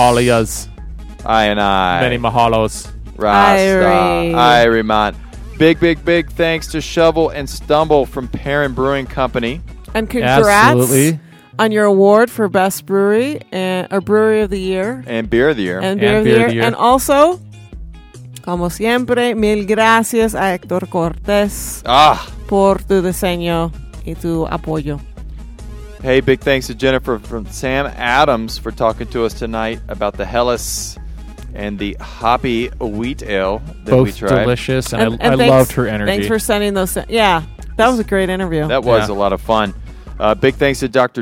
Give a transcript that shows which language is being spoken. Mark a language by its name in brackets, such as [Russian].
[English] All of yous. I and I. Many mahalos. Rasta. Irie. Big thanks to Shovel and Stumble from Perrin Brewing Company. And congrats on your award for best brewery and a brewery of the year. And beer of the year. And beer of the year. And also, [Spanish] como siempre, mil gracias a Hector Cortez por tu diseño y tu apoyo. [English] Hey, big thanks to Jennifer from Sam Adams for talking to us tonight about the Helles and the hoppy wheat ale that both we tried. Both delicious, and I loved her energy. Thanks for sending those. Yeah, that was a great interview. That was a lot of fun. Big thanks to Dr.